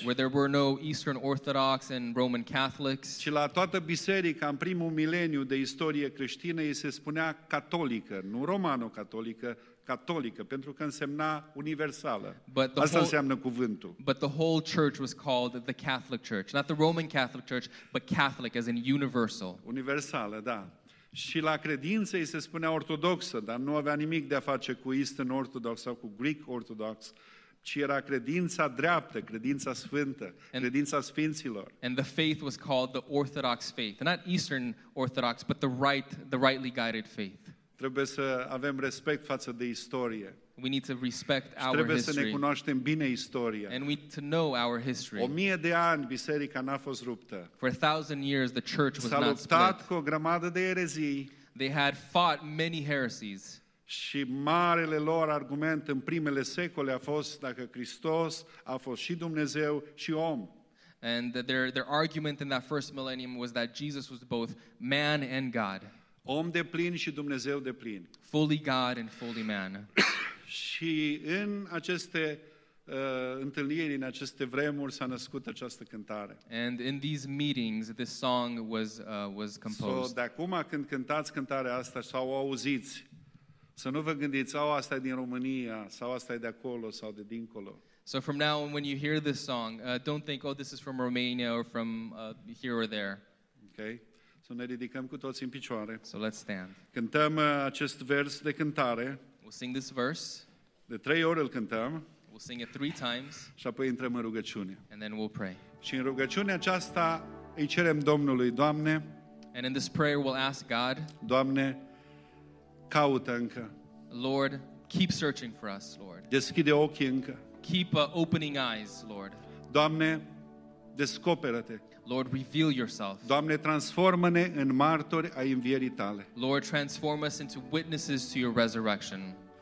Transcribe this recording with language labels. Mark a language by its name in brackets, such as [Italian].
[English] Where there were no Eastern Orthodox and Roman Catholics. [Romanian] Și la toată biserica, în primul mileniu de istorie creștină, îi se spunea catolică, nu Romano-Catolică, catolică, pentru că însemna universală. Asta înseamnă cuvântul. [English] But the whole church was called the Catholic Church. Not the Roman Catholic Church, but Catholic, as in universal. [Romanian] Universală, da. Și la credință îi se spunea ortodoxă, dar nu avea nimic de a face cu Eastern Orthodox sau cu Greek Orthodox, ci era credința dreaptă, credința sfântă, credința sfinților. [English] And the faith was called the Orthodox faith, not Eastern Orthodox, but the rightly guided faith. [Romanian] Trebuie să avem respect față de istorie. [English] We need to respect our history. [Romanian] Trebuie să ne cunoaștem bine istoria. [English] And we need to know our history. [Romanian] 1000 de ani biserica n-a fost ruptă. [English] For 1000 years the church was not split. [Romanian] S-a luptat cu o grămadă de erezii. [English] They had fought many heresies. [Romanian] Și marele lor argument în primele secole a fost dacă Hristos a fost și Dumnezeu și om. [English] And their argument in that first millennium was that Jesus was both man and God. [Romanian] Om de plin și Dumnezeu de plin. [English] Fully God and fully man. [Romanian] Și în aceste întâlniri, în aceste vremuri, s-a născut această cântare. [English] And in these meetings, this song was composed. [Romanian] So, de acum când cântați cântarea asta sau o auziți, să nu vă gândiți, sau asta e din România, sau asta e de acolo, sau de dincolo. [English] So from now on, when you hear this song, don't think, oh, this is from Romania or from here or there. Okay. [Romanian] Să ne ridicăm cu toți în picioare. [English] So let's stand. [Romanian] Cântăm acest vers de cântare. [English] We'll sing this verse. [Romanian] De trei ori îl cântăm. [English] We'll sing it 3 times. [Romanian] Și apoi intrăm în rugăciune. [English] And then we'll pray. [Romanian] Și în rugăciunea aceasta îi cerem Domnului, Doamne. [English] And in this prayer we'll ask God. [Romanian] Doamne, caută încă. [English] Lord, keep searching for us, Lord. [Romanian] Deschide ochii încă. [English] Keep opening eyes, Lord. [Romanian] Doamne, descoperă-te. [English] Lord, reveal yourself. [Romanian] Doamne, transformă-ne în martori ai învierii tale. [English] Lord, transform us into witnesses to your resurrection.